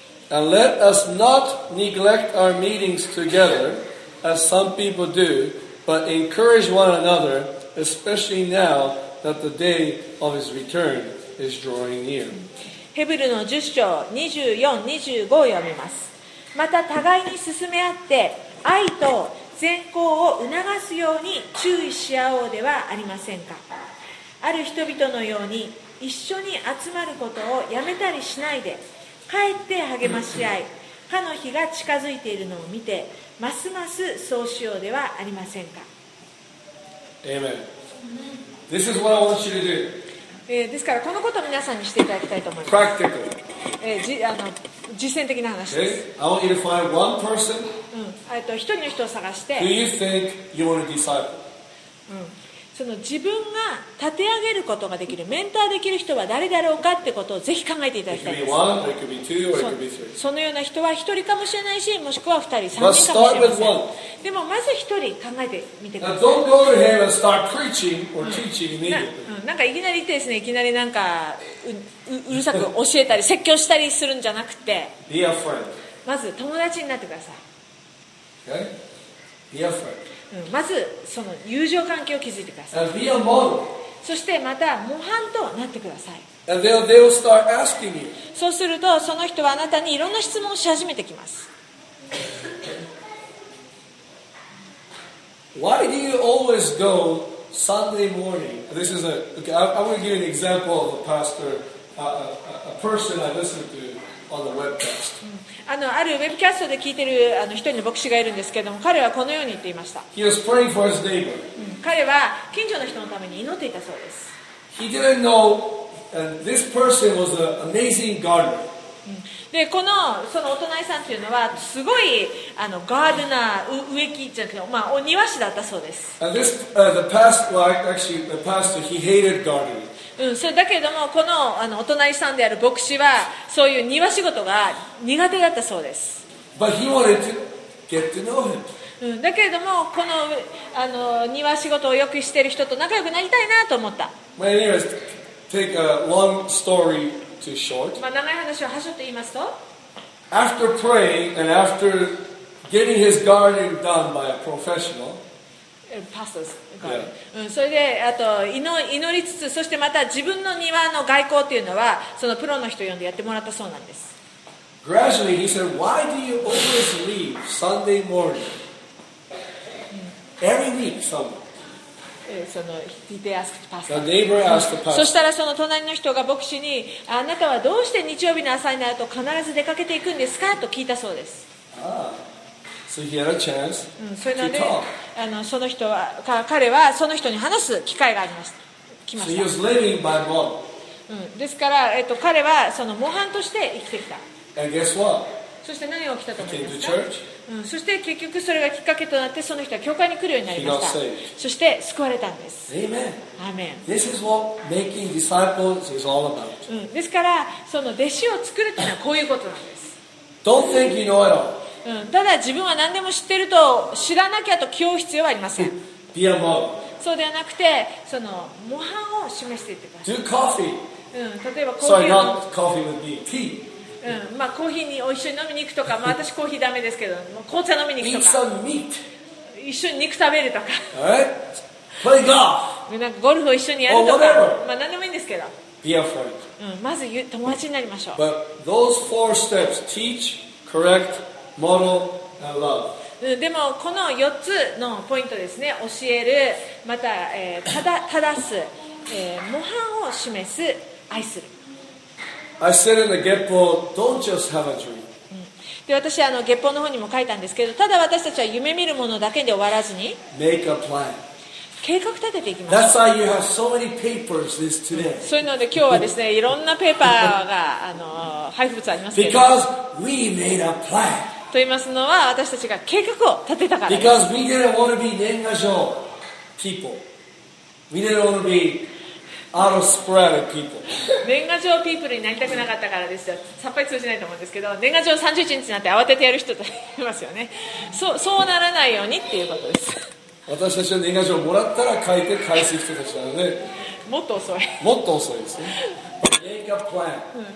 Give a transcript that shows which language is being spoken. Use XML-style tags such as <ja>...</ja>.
<en>And let us not neglect our meetings together, as some people do, but encourage one another, especially now that the day of his return is drawing near.</en> <ja>ヘブルの10章24、25を読みます。また互いに進め合って、愛と善行を促すように注意し合おうではありませんか。ある人々のように一緒に集まることをやめたりしないで、かえって励まし合い、歯の日が近づいているのを見て、ますますそうしようではありませんか。</ja> <en>Amen. This is what I want you to do.</en> <ja>ですからこのことを皆さんにしていただきたいと思います。</ja> <en>Practical.</en> <ja>実践的な話です。</ja> <en>Okay. I want you to find one person.</en> <ja>一人の人を探して。</ja> <en>Do you think you want a disciple?</en> <ja>その自分が立て上げることができる、メンターできる人は誰だろうかってことをぜひ考えていただきたいです。 It could be one, it could be two, or it could be three. そのような人は一人かもしれないし、もしくは二人、三人かもしれません。でもまず一人考えてみてください。</ja> <en>Now, don't go ahead and start preaching or teaching immediately.</en> <ja>なんかいきなり言ってですね、いきなりなんか うるさく教えたり説教したりするんじゃなくて、</ja> <en>Be a friend.</en> <ja>まず友達になってください。</ja> <en>Okay? Be a friend.</en> <ja>まずその友情関係を築いてください。</ja> <en>And be a model.</en> <ja>そしてまた模範となってください。</ja> <en>And they'll start asking you.</en> <ja>そうするとその人はあなたにいろんな質問をし始めてきます。</ja> <en>Why do you always go Sunday morning? This is a, okay, I'm going to give an example of a pastor a person I listen to on the webcast.</en> <ja>あるウェブキャストで聞いてる一人の牧師がいるんですけども、彼はこのように言っていました。</ja> <en>He was praying for his neighbor.</en> <ja>彼は近所の人のために祈っていたそうです。</ja> <en>He didn't know, this person was an amazing gardener.</en> <ja>でこのそのお隣さんというのはすごいガーデナー、植木じゃなくて、まあ、お庭師だったそうです。</ja> <en>And this, the past, well, actually, the pastor, he hated gardening.</en> <ja>それだけれども、この お隣さんである牧師はそういう庭仕事が苦手だったそうです。</ja> <en>But he wanted to get to know him.</en> <ja>だけれども、この庭仕事をよくしている人と仲良くなりたいなと思った。</ja> <en>But anyways, take a long story to short.</en> <ja>長い話をはしょって言いますと、</ja> <en>After praying and after getting his garden done by a professional. Pastor's garden. Yeah.</en> <ja>それであと祈りつつ、そしてまた自分の庭の外交というのはそのプロの人を呼んでやってもらったそうなんです。</ja> <en>Gradually he said, "Why do you always leave Sunday morning every week?"</en> <ja>そしたらその隣の人が牧師に、あなたはどうして日曜日の朝になると必ず出かけていくんですかと聞いたそうです。</ja> <en>Ah. So he had a chance to talk.</en> <ja>その人は彼はその人に話す機会がありました。</ja> <en>So he was living by model.</en> <ja>ですから彼はその模範として生きてきた。</ja> <en>And guess what?</en> <ja>そして何が起きたと思いますか?</ja> <en>He came to church.</en> <ja>そして結局それがきっかけとなってその人は教会に来るようになりました。</ja> <en>He got saved.</en> <ja>そして救われたんです。</ja> <en>Amen. Amen. This is what making disciples is all about.</en> <ja>ですからその弟子を作るというのはこういうことなんです。</ja> <en>Don't think you know it all.</en> <ja>ただ自分は何でも知ってると知らなきゃと気負う必要はありません。</ja> <en>Be a model.</en> <ja>そうではなくてその模範を示していってください。</ja> <en>Do coffee.</en> <ja>例えばコーヒー。</ja> <en>Sorry, not coffee with me. Tea.</en> <ja>まあコーヒーにお一緒に飲みに行くとか、まあ、私コーヒーダメですけど、まあ、紅茶飲みに行くとか。</ja> <en>Eat some meat.</en> <ja>一緒に肉食べるとか。</ja> <en>Alright. Play golf.</en> <ja>なんかゴルフを一緒にやるとか。</ja> <en>Or whatever.</en> <ja>まあ何でもいいんですけど。</ja> <en>Be a friend.</en> <ja>まず友達になりましょう。</ja> <en>But those four steps: teach, correct. Model and love.</en> <ja>でもこの4つのポイントですね、教える、また正す、模範を示す、愛する。</ja> <en>I said in the Gepo, don't just have a dream.</en> <ja>で私は月報の方にも書いたんですけど、ただ私たちは夢見るものだけで終わらずに</ja> <en>Make a plan.</en> <ja>計画立てていきます。</ja> <en>That's why you have so many papers this today.</en> <ja>そういうので今日はですね、いろんなペーパーが配布物ありますけど、</ja> <en>Because we made a plan</en> <ja>と言いますのは、私たちが計画を立てたから。</ja> <en>Because we didn't want to be 年賀状 people. We didn't want to be out-of-spread people.</en> <ja>年賀状 people になりたくなかったからですよ。さっぱり通じないと思うんですけど、年賀状30日になって慌ててやる人と言いますよね。そうならないようにっていうことです。私たちは年賀状もらったら書いて返す人たちなので、もっと遅い。もっと遅いですね。</ja> <en>Make a plan.</en>